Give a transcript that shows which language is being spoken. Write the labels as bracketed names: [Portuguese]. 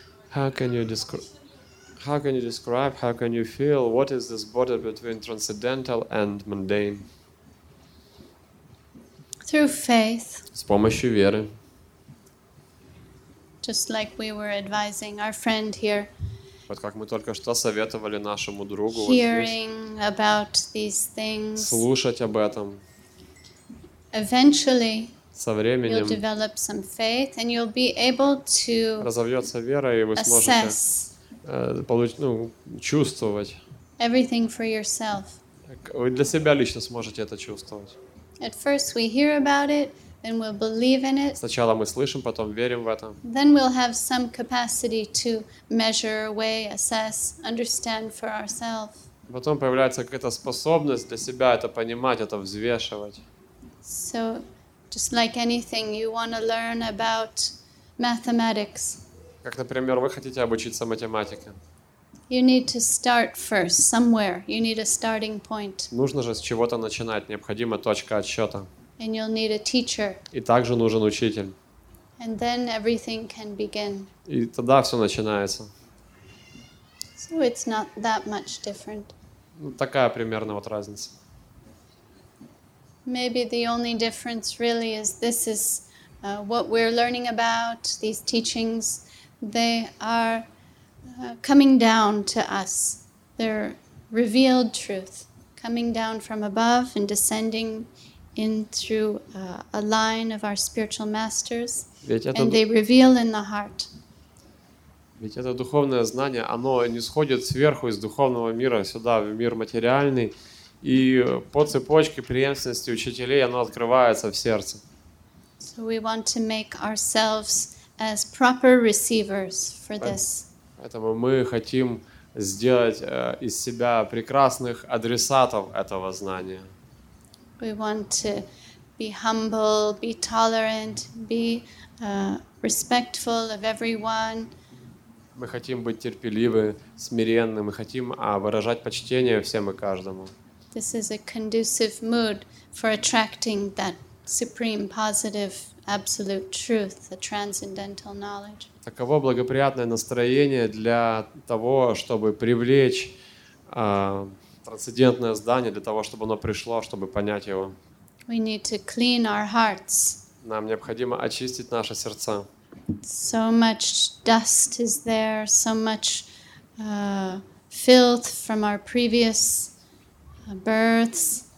[English] How can you describe, how can you feel, what is this border between transcendental and mundane? Through faith. [Russian] С помощью веры. [English] Just like we were advising our friend here. [Russian] Вот как мы только что советовали нашему другу. [English] Hearing [Russian] вот здесь, [English] about these things. [Russian] Слушать об этом. [English] Eventually. [Russian] Со временем. [English] You'll develop some faith, and you'll be able to. [Russian] Разовьется вера, и вы сможете. [English] Assess. [Russian] Чувствовать. [English] Everything for yourself. [Russian] Вы для себя лично сможете это чувствовать. [English] At first we hear about it. Then we'll believe in it. [Russian] Сначала мы слышим, потом верим в это. [English] Then we'll have some capacity to measure, weigh, assess, understand for ourselves. [Russian] Потом появляется какая-то способность для себя это понимать, это взвешивать. [English] So, just like anything, you want to learn about mathematics. [Russian] Как, например, вы хотите обучиться математике. [English] You need to start first somewhere. You need a starting point. [Russian] Нужно же с чего-то начинать. Необходима точка отсчета. [English] And you'll need a teacher. [Russian] И также нужен учитель. [English] And then everything can begin. [Russian] И тогда все начинается. [English] So it's not that much different. [Russian] Ну, такая примерно вот разница. [English] Maybe the only difference really is this is what we're learning about, these teachings, they are coming down to us. They're revealed truth, coming down from above and descending in through a line of our spiritual masters, and they reveal in the heart. [Russian] Ведь это духовное знание, оно не сходит сверху из духовного мира сюда в мир материальный, и по цепочке преемственности учителей оно открывается в сердце. [English] So we want to make ourselves as proper receivers for this. [Russian] Поэтому мы хотим сделать из себя прекрасных адресатов этого знания. [English] We want to be humble, be tolerant, be respectful of everyone. [Russian] Мы хотим быть терпеливы, смиренны, мы хотим выражать почтение всем и каждому. [English] This is a conducive mood for attracting that supreme positive absolute truth, the transcendental knowledge. [Russian] Таково благоприятное настроение для того, чтобы привлечь трансцендентное знание, для того, чтобы оно пришло, чтобы понять его. [English] We need to clean our hearts. [Russian] Нам необходимо очистить наши сердца. [English] So much dust is there, so much filth from our previous births.